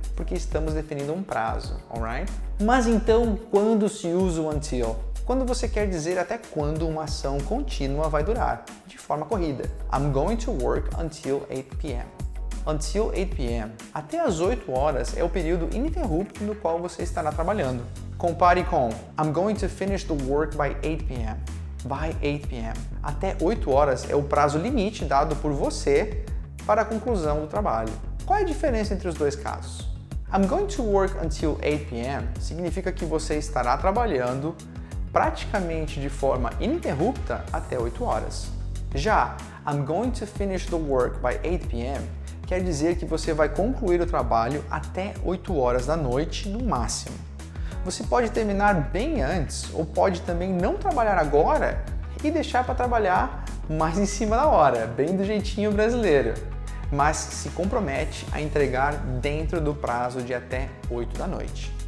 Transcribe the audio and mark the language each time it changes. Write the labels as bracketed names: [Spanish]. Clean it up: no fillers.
[Portuguese] Porque estamos definindo um prazo, alright? Mas então, quando se usa o until? Quando você quer dizer até quando uma ação contínua vai durar, de forma corrida. [English] I'm going to work until 8 p.m. Until 8 p.m. [Portuguese] Até as 8 horas é o período ininterrupto no qual você estará trabalhando. Compare com [English] I'm going to finish the work by 8 p.m. By 8 p.m. [Portuguese] Até 8 horas é o prazo limite dado por você para a conclusão do trabalho. Qual é a diferença entre os dois casos? [English] I'm going to work until 8 p.m. [Portuguese] significa que você estará trabalhando praticamente de forma ininterrupta até 8 horas. [English] Já I'm going to finish the work by 8 p.m. [Portuguese] quer dizer que você vai concluir o trabalho até 8 horas da noite, no máximo. Você pode terminar bem antes, ou pode também não trabalhar agora e deixar para trabalhar mais em cima da hora, bem do jeitinho brasileiro. Mas se compromete a entregar dentro do prazo de até 8 da noite.